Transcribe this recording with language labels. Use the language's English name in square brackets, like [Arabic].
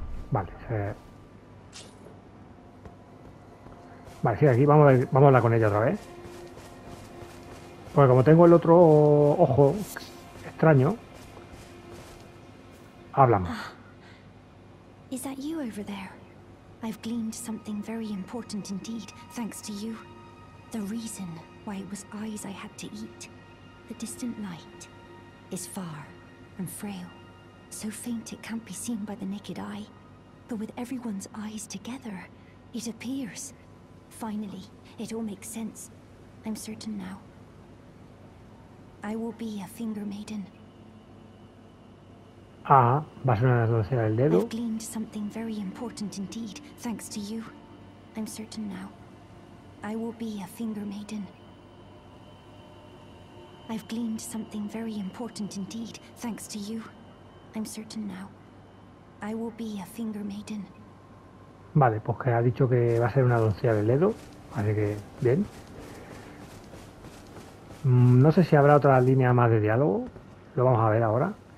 [Spanish] Vale, vale, sigue aquí, vamos a hablar con ella otra vez. Porque como tengo el otro ojo extraño, hablamos. [English] ¿Es tú over there? I've gleaned something very important indeed, thanks to you. The reason why it was eyes I had to eat. The distant light is far and frail, so faint it can't be seen by the naked eye. But with everyone's eyes together, it appears. Finally, it all makes sense. I'm certain now. I will be a finger maiden. [Spanish] Ah, va a ser una doncella del dedo. [English] I've gleaned something very important indeed, thanks to you. I'm certain now. I will be a finger maiden. I've gleaned something very important indeed, thanks to you. I'm certain now. I will be a finger maiden. [Spanish] Vale, pues que ha dicho que va a ser una doncella del dedo, así que bien. No sé si habrá otra línea más de diálogo. Lo vamos a ver ahora.